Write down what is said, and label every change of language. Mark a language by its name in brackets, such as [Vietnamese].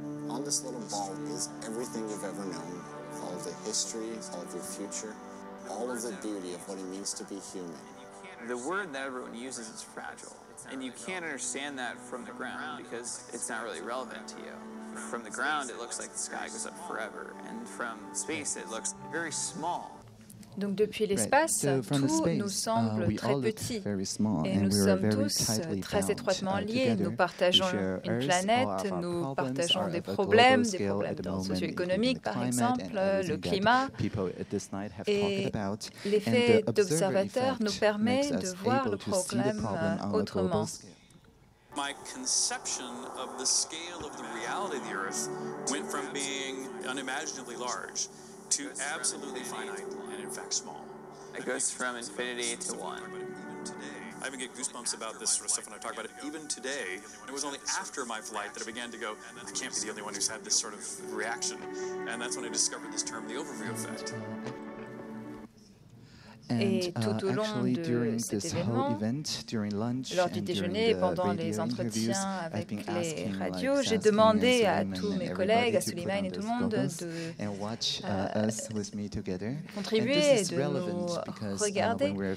[English] On this little ball is everything you've ever known, all of the history, all of your future, all of the beauty of what it means to be human. The word that everyone uses is fragile, and you can't understand that from the ground because it's not really relevant to you. From the ground, it looks like the sky goes up forever, and from space, it looks very small. [French] Donc depuis l'espace, right. So tout space, nous semble très petit et nous sommes tous très étroitement liés. Nous partageons une planète, nous partageons des problèmes, des problèmes socio-économiques par exemple, le climat. Et l'effet d'observateur nous permet de voir le problème autrement. [English] My conception of the scale of the reality of the Earth went from being unimaginably large to absolutely finite. In fact, small. It goes from infinity to one. I even get goosebumps about this sort of stuff when I talk about it. Even today, it was only after my flight that I began to go, I can't be the only one who's had this sort of reaction. And that's when I discovered this term, the overview effect. [French] Et tout au long de cet événement, lors du déjeuner, pendant les entretiens avec les radios, j'ai demandé à tous mes collègues, à Suleiman et tout le monde, de contribuer, de nous regarder.